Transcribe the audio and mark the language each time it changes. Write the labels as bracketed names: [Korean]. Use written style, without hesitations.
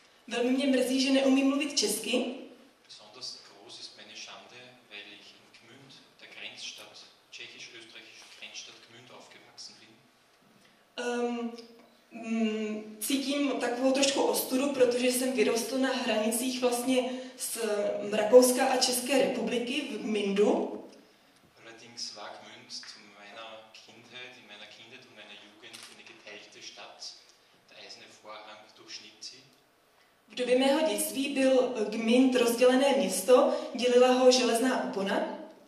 [Czech] Velmi mě mrzí, že neumím mluvit česky. [German] Besonders groß ist meine Schande, weil ich in Gmünd, der Grenzstadt, tschechisch-österreichische Grenzstadt Gmünd, aufgewachsen bin. [Czech] Cítím takovou trošku ostudu, protože jsem vyrostl na hranicích vlastně z Rakouska a České republiky v Mindu. [German] Allerdings war Gmünd zu meiner Kindheit, in meiner Kindheit und meiner Jugend eine geteilte Stadt. Der eiserne Vorhang durchschnitt sie. [Czech] V době mého dětství byl Gmünd rozdělené město, dělila ho železná opona.